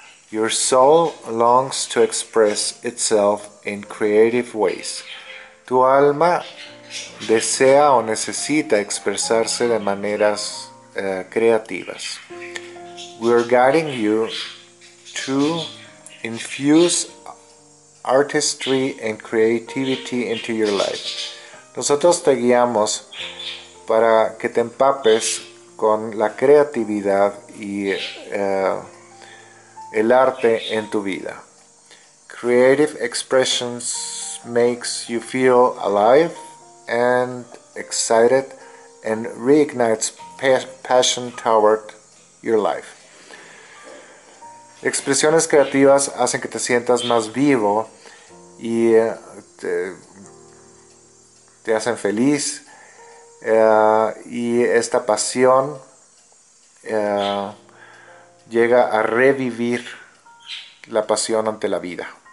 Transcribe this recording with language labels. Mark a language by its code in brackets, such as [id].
[en] Your soul longs to express itself in creative ways. [es] Tu alma desea o necesita expresarse de maneras creativas. [en] We are guiding you to infuse artistry and creativity into your life. [es] Nosotros te guiamos para que te empapes con la creatividad y el arte en tu vida. [en] Creative expressions makes you feel alive and excited and reignites passion toward your life. [es] Expresiones creativas hacen que te sientas más vivo y te hacen feliz. Y esta pasión llega a revivir la pasión ante la vida.